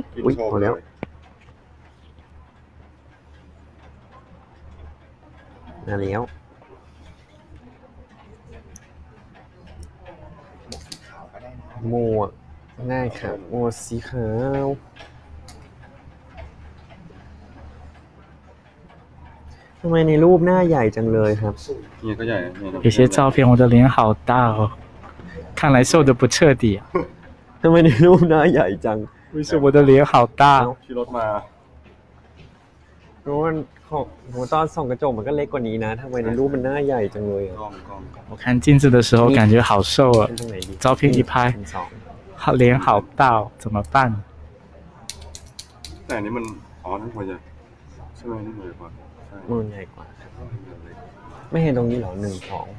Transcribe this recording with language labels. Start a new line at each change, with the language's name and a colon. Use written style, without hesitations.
Thai: อุ้ยโอ้แล้วมาแล้วหมวกง่ายค่ะหมวกสีขาวทำไมในรูปหน้าใหญ่จังเลยครับ นี่ก็ใหญ่
Chinese: 有些照片我的脸好大哦看来瘦的不彻底
Thai: ทำไมในรูปหน้าใหญ่จัง
Chinese: 为什么我的脸好大
Thai: ขี่รถมา ดูมันผมตอนส่องกระจกมันก็เล็กกว่านี้นะทำไมในรูปมันหน้าใหญ่จังเลย ผมคัน
Chinese: 镜子的时候感觉好瘦啊照片一拍脸好大怎么办
Thai: แต่นี่มันอ๋อนั่นควรจะใช่ไหมนี่ใหญ่กว่าใช่ มันใหญ่กว่าไม่เห็นตรงนี้หรอหนึ่งสอง